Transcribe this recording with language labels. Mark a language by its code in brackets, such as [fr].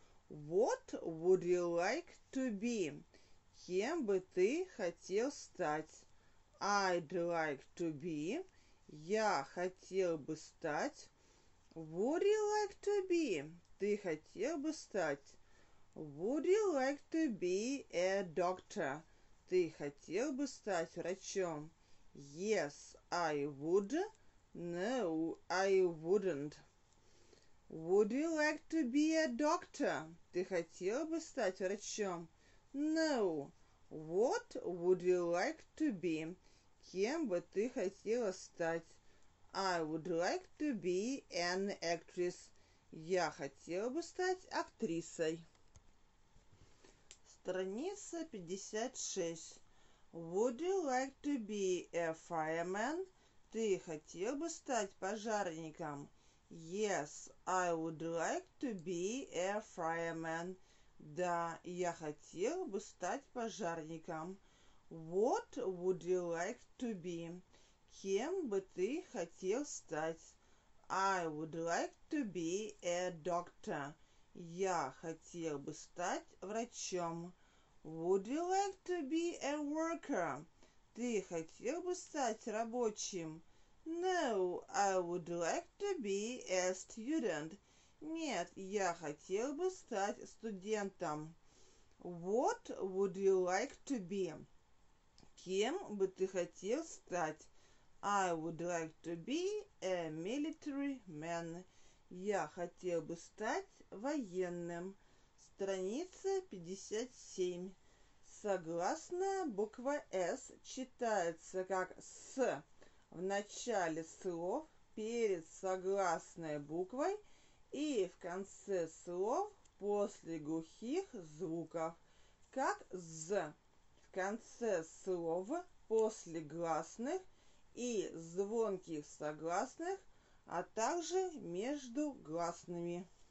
[en] What would you like to be? [ru] Кем бы ты хотел стать? [en] I'd like to be. [ru] Я хотел бы стать. [en] Would you like to be? [ru] Ты хотел бы стать. [en] Would you like to be a doctor? [ru] Ты хотел бы стать врачом. [en] Yes, I would. No, I wouldn't. Would you like to be a doctor? [ru] Ты хотел бы стать врачом? [en] No. What would you like to be? [ru] Кем бы ты хотела стать? [en] I would like to be an actress. [ru] Я хотела бы стать актрисой. Страница 56. [en] Would you like to be a fireman? [ru] Ты хотел бы стать пожарником? [en] Yes, I would like to be a fireman. [ru] Да, я хотел бы стать пожарником. [en] What would you like to be? [ru] Кем бы ты хотел стать? [en] I would like to be a doctor. [ru] Я хотел бы стать врачом. [en] Would you like to be a worker? [ru] Ты хотел бы стать рабочим? [en] No, I would like to be a student. [ru] Нет, я хотел бы стать студентом. [en] What would you like to be? [ru] Кем бы ты хотел стать? [en] I would like to be a military man. [ru] Я хотел бы стать военным. Страница 57. Согласно буква «С» читается как «С» в начале слов перед согласной буквой и в конце слов после глухих звуков, как «З» в конце слова после гласных и звонких согласных, а также между гласными.